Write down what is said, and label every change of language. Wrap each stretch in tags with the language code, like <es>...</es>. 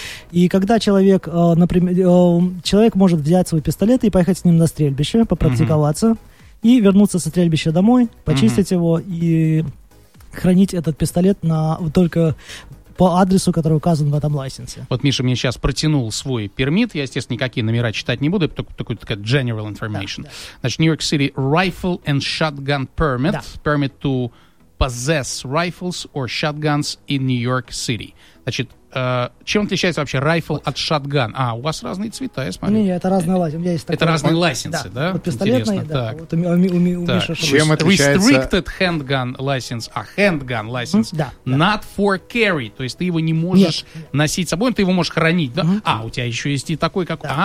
<ru>И когда человек, например, человек может взять свой пистолет и поехать с ним на стрельбище, попрактиковаться, и вернуться со стрельбища домой, почистить его и хранить этот пистолет только по адресу, который указан в этом лайсенсе. Вот Миша мне сейчас протянул свой пермит. Я, естественно, никакие номера читать не буду. Только такая</ru> <en>general information.</en> <ru>Да, да. Значит, New York City Rifle and Shotgun Permit. Да.</ru> <en>Permit to possess rifles or shotguns in New York City.</en> <ru>Значит, чем отличается вообще rifle от shotgun? А, у вас разные цвета, я смотрю. Нет, это разные лайсенсы. Разные лайсенсы, да? Вот пистолетные, интересно. Да. Чем отличается...</ru> <en>Restricted handgun license, а handgun license not for carry.</en> <ru>То есть ты его не можешь носить с собой, но ты его можешь хранить. Да? А, у тебя еще есть и такой, как...</ru>